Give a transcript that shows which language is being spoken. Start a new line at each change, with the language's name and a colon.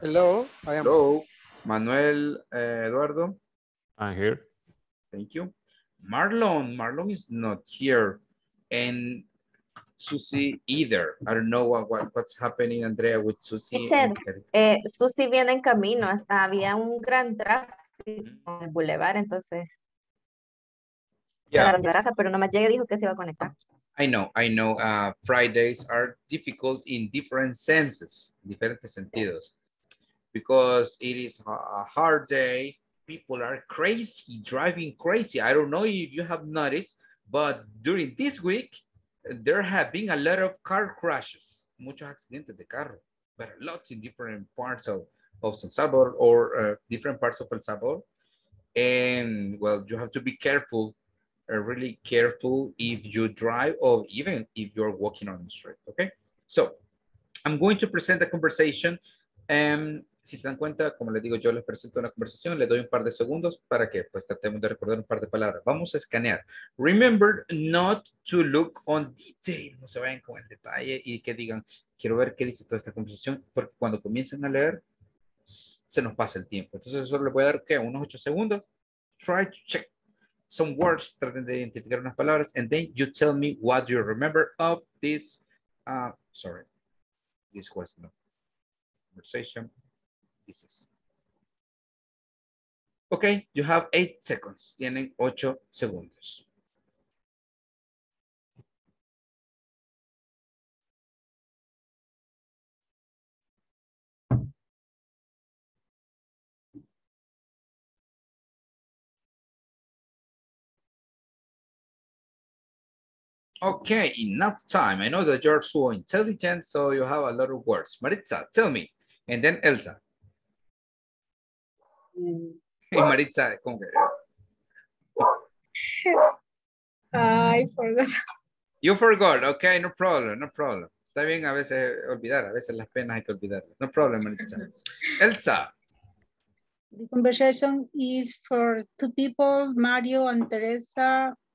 English: Hello. I am. Hello. Manuel Eduardo. I'm here. Thank you. Marlon. Marlon is not here. And Susie either. I don't know what's happening, Andrea, with Susie.
Spanish: Teacher, Susie viene en camino. Había un gran tráfico en el boulevard, entonces. Yeah. Pero nomás llegué, dijo que se iba a conectar.
English: I know. Fridays are difficult in different senses,
Spanish: diferentes sentidos.
English: Because it is a hard day. People are crazy, driving crazy. I don't know if you have noticed, but during this week, there have been a lot of car crashes.
Spanish: Muchos accidentes de carro.
English: But lots in different parts of San Salvador or different parts of El Salvador. And, well, you have to be careful. Really careful if you drive or even if you're walking on the street, okay? So, I'm going to present a conversation.
Spanish: Si se dan cuenta, como les digo, yo les presento una conversación, le doy un par de segundos para que pues tratemos de recordar un par de palabras. Vamos a escanear.
English: Remember not to look on detail.
Spanish: No se vayan con el detalle y que digan, quiero ver qué dice toda esta conversación, porque cuando comiencen a leer, se nos pasa el tiempo. Entonces, solo les voy a dar, ¿qué? Unos 8 segundos.
English: Try to check some words,
Spanish: traten de identificar unas palabras,
English: and then you tell me what you remember of this, sorry, this question, conversation, this is. Okay, you have 8 seconds,
Spanish: tienen 8 segundos.
English: Okay, enough time. I know that you're so intelligent, so you have a lot of words. Maritza, tell me. And then Elsa.
Spanish: Hey, Maritza, con que...
English: I forgot. You forgot. Okay, no problem, no problem. Está bien a veces olvidar, a veces las penas hay que olvidar. No problem, Maritza. Elsa. The conversation is for 2 people, Mario and Teresa.